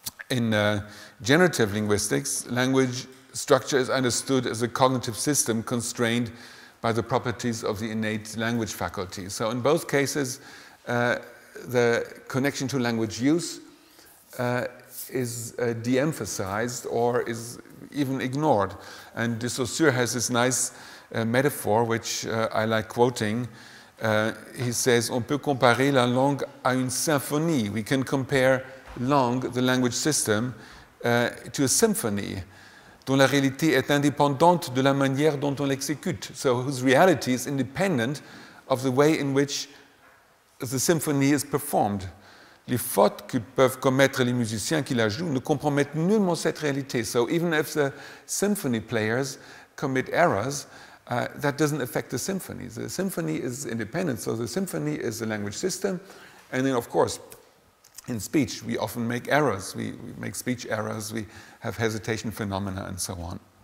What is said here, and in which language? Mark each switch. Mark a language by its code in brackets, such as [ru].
[en] In generative linguistics, language structure is understood as a cognitive system constrained by the properties of the innate language faculty. So in both cases, the connection to language use is de-emphasized or is even ignored. And de Saussure has this nice metaphor, which I like quoting. He says, [fr] on peut comparer la langue à une symphonie. [en] We can compare langue, the language system, to a symphony [fr] dont la réalité est indépendante de la manière dont on l'exécute. [en] So whose reality is independent of the way in which the symphony is performed. [fr] Les fautes que peuvent commettre les musiciens qui la jouent ne compromettent nullement cette réalité. [en] So even if the symphony players commit errors, that doesn't affect the symphony. The symphony is independent, so the symphony is the language system. And then, of course, in speech, we often make errors. We make speech errors, we have hesitation phenomena, and so on.